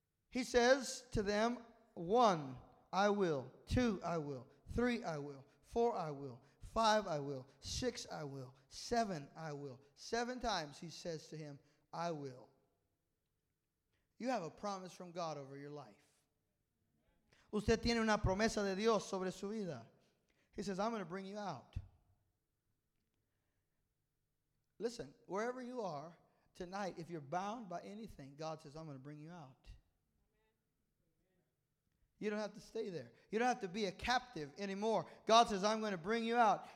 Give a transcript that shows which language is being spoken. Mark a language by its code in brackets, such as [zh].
[en] He says to them, one, I will. Two, I will. Three, I will. Four, I will. Five, I will. Six, I will. Seven, I will. Seven times he says to him, I will. You have a promise from God over your life. [es] Usted tiene una promesa de Dios sobre su vida. [en] He says, I'm going to bring you out. Listen, wherever you are tonight, if you're bound by anything, God says, I'm going to bring you out. You don't have to stay there. You don't have to be a captive anymore. God says, I'm going to bring you out.